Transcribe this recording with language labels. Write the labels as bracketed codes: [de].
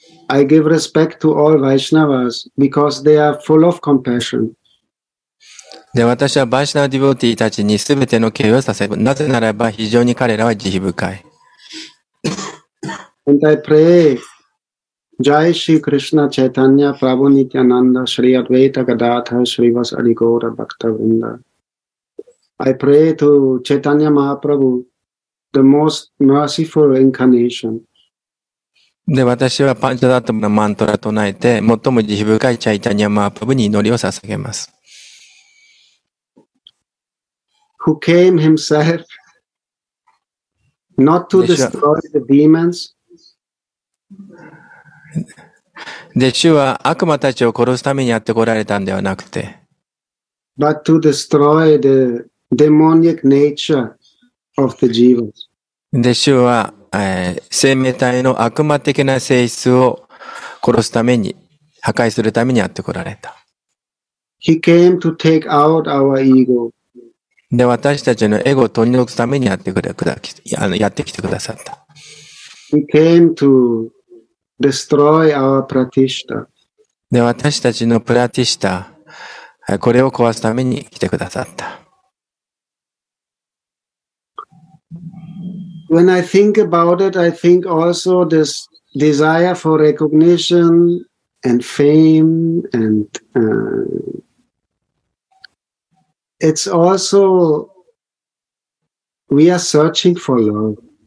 [en] I give respect to all Vaishnavas because they are full of compassion. [ja] で、私は Vaishnava devotee たちに全ての敬意をさせる。なぜならば非常に彼らは慈悲深い。 [en] And I pray, Jai Shri Krishna Chaitanya Prabhu Nityananda Shri Advaita Gadadhar Srivas Arigora Bhaktavinda. I pray to Chaitanya Mahaprabhu, the most merciful incarnation. [ja] で、私はパンチャダトムのマントラを唱えて、最も慈悲深いチャイタニア・マハプラブに祈りを捧げます。 [en] Who came himself not to destroy the demons? [ja] で、主は悪魔たちを殺すためにやってこられたんではなくて、 [en] but to destroy the demonic nature of the jivas. [ja] で、主は、生命体の悪魔的な性質を殺すために、破壊するためにやってこられた。 [en] He came to take out our ego. [ja] で、私たちのエゴを取り除くためにやってきてくださった。 [en] He came to destroy our pratishta. [ja] で、私たちのプラティシタ、これを壊すために来てくださった。 [en] When I think about it, I think also this desire for recognition and fame and it's also we are searching for love.